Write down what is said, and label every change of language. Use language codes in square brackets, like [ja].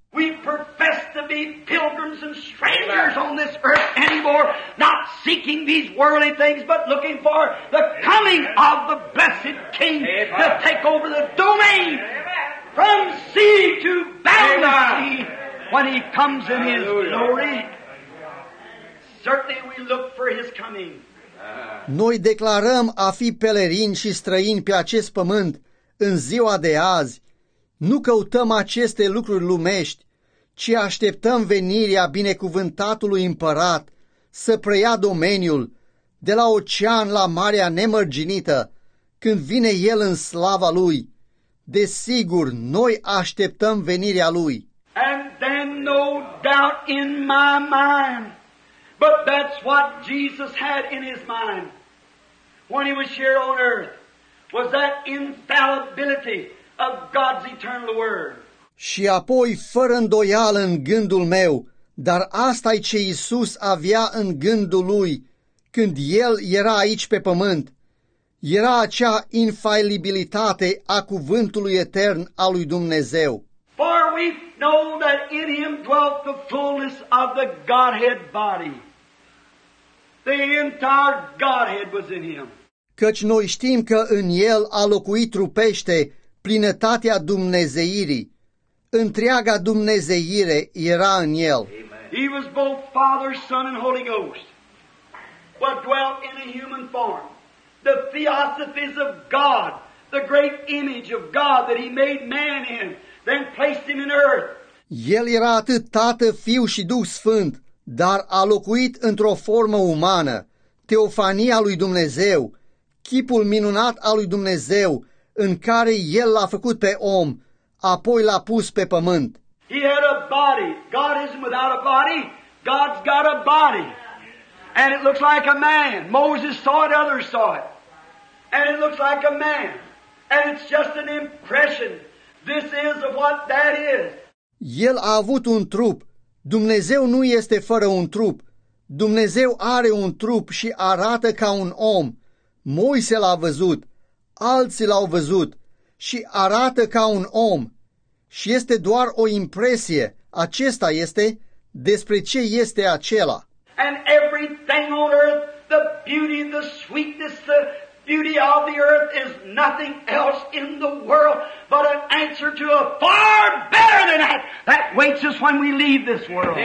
[en] We profess to be pilgrims and strangers on this earth anymore, not seeking these worldly things, but looking for the coming of the blessed King to take over the domain from sea to boundless sea when he comes in his glory. Certainly we look for his coming. [ro] Noi declarăm a fi pelerini și străini pe acest pământ în ziua de azi. Nu căutăm aceste lucruri lumești, ci așteptăm venirea binecuvântatului împărat să preia domeniul de la ocean la Marea Nemărginită, când vine el în slava lui. Desigur, noi așteptăm venirea lui. [en] And then no doubt in my mind. But that's what Jesus had in his mind when he was here on earth, was that infallibility of God's eternal word. [ro] Și apoi, fără îndoială în gândul meu, dar asta e ce Iisus avea în gândul lui când el era aici pe pământ. Era acea infailibilitate a cuvântului etern al lui Dumnezeu. [en] For we know that in him dwelt the fullness of the Godhead body. The entire Godhead was in him. [ro] Căci noi știm că în el a locuit trupește plinătatea dumnezeirii. Întreaga dumnezeire era în el. [en] He was both Father, Son, and Holy Ghost, but dwelt in a human form. The theosophies of God, the great image of God that he made man in, then placed him in earth. [ro] El era atât Tată, Fiu și Duh Sfânt, dar a locuit într-o formă umană, teofania lui Dumnezeu, chipul minunat al lui Dumnezeu, în care el l-a făcut pe om, apoi l-a pus pe pământ. [en] He had a body. God isn't without a body. God's got a body. And it looks like a man. Moses saw it, others saw it. And it looks like a man. And it's just an impression. This is of what that is. [ro] El a avut un trup. Dumnezeu nu este fără un trup. Dumnezeu are un trup și arată ca un om. Moise l-a văzut. Alții l-au văzut. Și arată ca un om. Și este doar o impresie. Acesta este despre ce este acela. [en] And everything on earth, the beauty, the sweetness, the beauty of the earth is nothing else in the world but an answer to a far better than that that waits us when we leave this world.